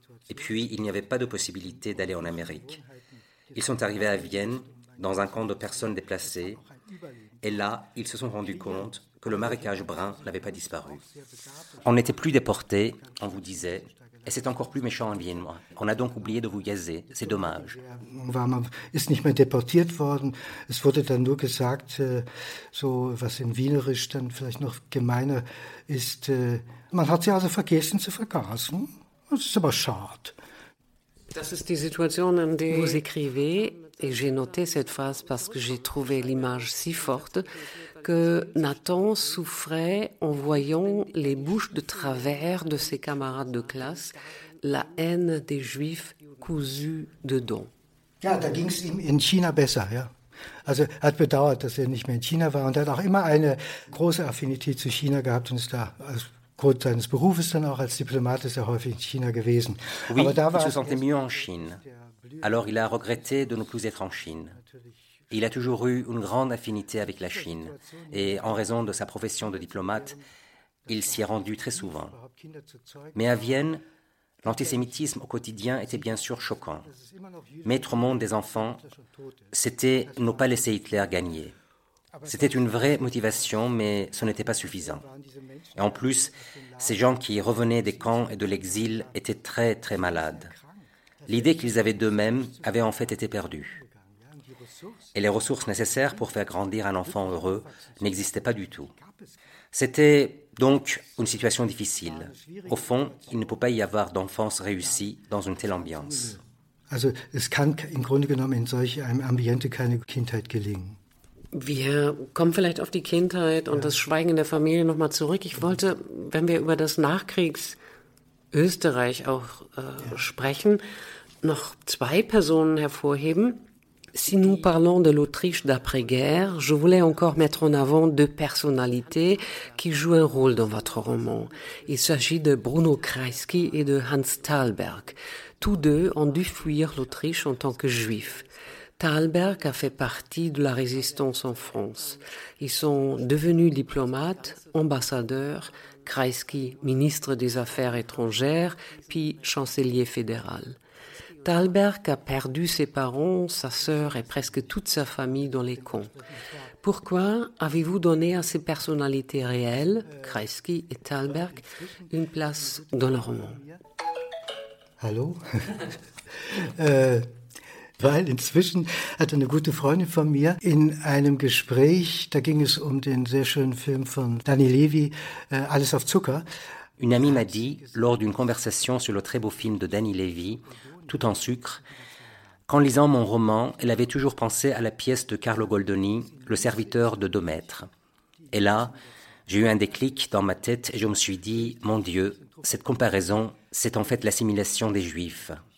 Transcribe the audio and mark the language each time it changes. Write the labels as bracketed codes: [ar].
[fr] Et puis, il n'y avait pas de possibilité d'aller en Amérique. Ils sont arrivés à Vienne, dans un camp de personnes déplacées, Et là, ils se sont rendus compte que le marécage brun n'avait pas disparu. On n'était plus déportés, on vous disait, et c'est encore plus méchant en Viennois. On a donc oublié de vous gazer, c'est dommage. [de] On ist nicht mehr deportiert worden. Es wurde dann nur gesagt, so was in Wienerisch dann vielleicht noch gemeiner ist. Man hat sie also vergessen zu vergasen. Das ist aber schade. Das ist die Situation, in der [fr] vous écrivez. Et j'ai noté cette phrase parce que j'ai trouvé l'image si forte que Nathan souffrait en voyant les bouches de travers de ses camarades de classe, la haine des Juifs cousue dedans. [de] Ja, da ging es ihm in China besser, ja. Also er hat bedauert, dass er nicht mehr in China war und er hat auch immer eine große Affinität zu China gehabt und ist da als Grund seines Berufes dann auch als Diplomat ist er häufig in China gewesen. [fr] Oui, [de] aber da war [fr] se sentait mieux en Chine. Alors il a regretté de ne plus être en Chine. Il a toujours eu une grande affinité avec la Chine. Et en raison de sa profession de diplomate, il s'y est rendu très souvent. Mais à Vienne, l'antisémitisme au quotidien était bien sûr choquant. Mettre au monde des enfants, c'était ne pas laisser Hitler gagner. C'était une vraie motivation, mais ce n'était pas suffisant. Et en plus, ces gens qui revenaient des camps et de l'exil étaient très très malades. L'idée qu'ils avaient d'eux-mêmes avait en fait été perdue. Et les ressources nécessaires pour faire grandir un enfant heureux n'existaient pas du tout. C'était donc une situation difficile. Au fond, il ne peut pas y avoir d'enfance réussie dans une telle ambiance. [de] Also, es kann im Grunde genommen in solch einem Ambiente keine Kindheit gelingen. Wir kommen vielleicht auf die Kindheit und das Schweigen in der Familie noch mal zurück. Ich wollte, wenn wir über das Nachkriegs Österreich auch sprechen, noch zwei Personen hervorheben. [fr] Si nous parlons de l'Autriche d'après-guerre, je voulais encore mettre en avant deux personnalités qui jouent un rôle dans votre roman. Il s'agit de Bruno Kreisky et de Hans Thalberg. Tous deux ont dû fuir l'Autriche en tant que juifs. Thalberg a fait partie de la résistance en France. Ils sont devenus diplomates, ambassadeurs, Kreisky, ministre des Affaires étrangères, puis chancelier fédéral. Thalberg a perdu ses parents, sa sœur et presque toute sa famille dans les camps. Pourquoi avez-vous donné à ces personnalités réelles, Kreisky et Thalberg, une place dans le roman? Allô? [de] Weil inzwischen hatte eine gute Freundin von mir in einem Gespräch, da ging es um den sehr schönen Film von Danny Levy, Alles auf Zucker. [fr] Une amie m'a dit, lors d'une conversation sur le très beau film de Danny Levy, Tout en sucre, qu'en lisant mon roman, elle avait toujours pensé à la pièce de Carlo Goldoni, Le serviteur de Demeter. Et là, j'ai eu un déclic dans ma tête et je me suis dit, mon Dieu, cette comparaison, c'est en fait l'assimilation des Juifs.